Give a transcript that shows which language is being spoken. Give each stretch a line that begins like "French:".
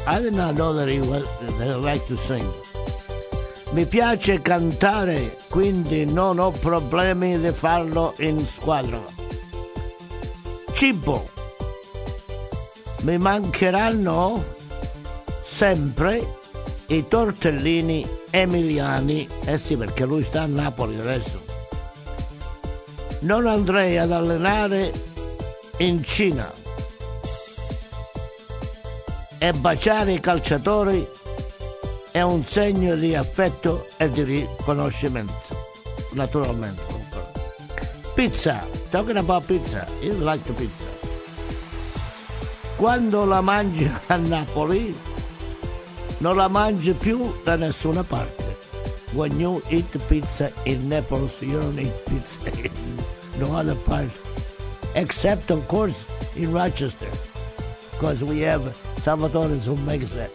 English: I did not know that he liked to sing.
Italian: Mi piace cantare, quindi non ho problemi di farlo in squadra. Cibo. Mi mancheranno sempre i tortellini emiliani. Eh sì, perché lui sta a Napoli adesso. Non andrei ad allenare in Cina. E baciare i calciatori è un segno di affetto e di riconoscimento, naturalmente.
English: Pizza, talking about pizza, you like the pizza.
Italian: Quando la mangi a Napoli, non la mangi più da nessuna parte.
English: When you eat pizza in Naples, you don't eat pizza in no other part, except of course in Rochester, because we have Salvatore who makes that